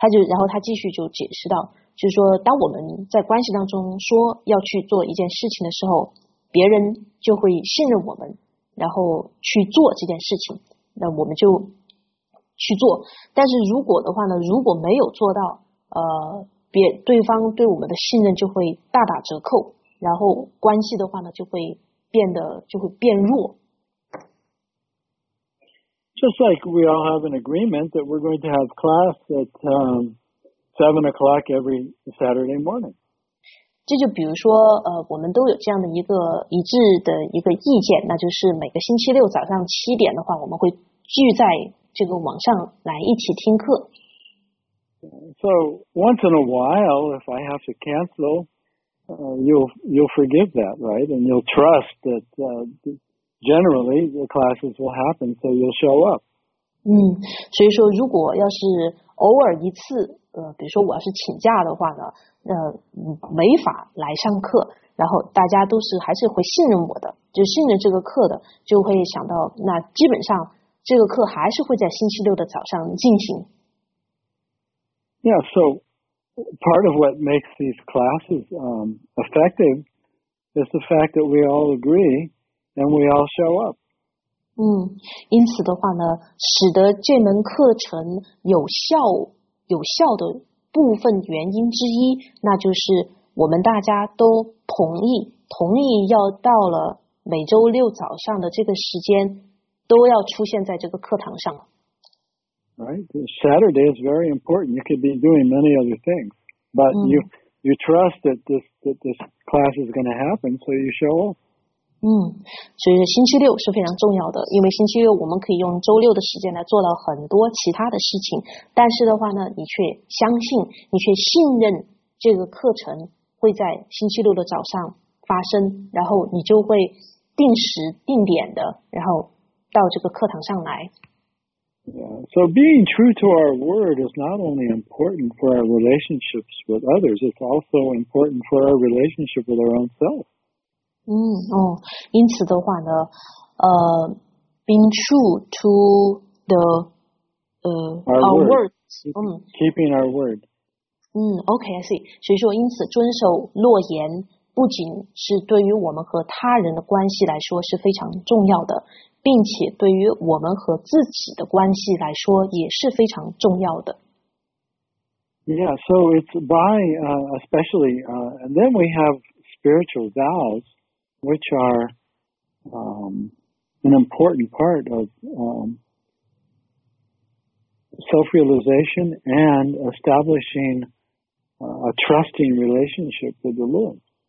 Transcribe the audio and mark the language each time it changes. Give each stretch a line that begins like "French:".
Chinese: 然后他继续就解释到，就是说当我们在关系当中说要去做一件事情的时候，别人就会信任我们，然后去做这件事情，那我们就去做。但是如果的话呢，如果没有做到，对方对我们的信任就会大打折扣，然后关系的话呢就会变弱。
English: Just like we all have an agreement that we're going to have class at 7 o'clock every Saturday morning.
Chinese: 这就比如说，我们都有这样的一个一致的一个意见，那就是每个星期六早上7点的话，我们会聚在。这个网上来一起听课。
English: So once in a while, if I have to cancel, you'll forgive that, right? And you'll trust that generally the classes will happen, so you'll show up.
Chinese: 所以说如果要是偶尔一次，比如说我要是请假的话呢，没法来上课，然后大家都是还是会信任我的，就信任这个课的，就会想到那基本上。这个课还是会在星期六的早上进行。
English: Yeah, so part of what makes these classes effective is the fact that we all agree and we all show up.
Chinese: 因此的话呢，使得这门课程有效的部分原因之一，那就是我们大家都同意，同意要到了每周六早上的这个时间都要出现在这个课堂上。
English: Right, Saturday is very important. You could be doing many other things, but you trust that this class is going to happen, so you show up.
Chinese: 所以星期六是非常重要的，因为星期六我们可以用周六的时间来做到很多其他的事情。但是的话呢，你却相信，你却信任这个课程会在星期六的早上发生，然后你就会定时定点的，然后到这个课堂上来。
English: Yeah, so being true to our word is not only important for our relationships with others, it's also important for our relationship with our own self.
Chinese: 因此的话呢，
English: being true to the our word, keeping our word. Okay, I see.
Chinese: 所以说，因此遵守诺言不仅是对于我们和他人的关系来说是非常重要的，并且对于我们和自己的关系来说也是非常重要的。
English: Yeah, so it's by especially, and then we have spiritual vows, which are an important part of self-realization and establishing a trusting relationship with the Lord.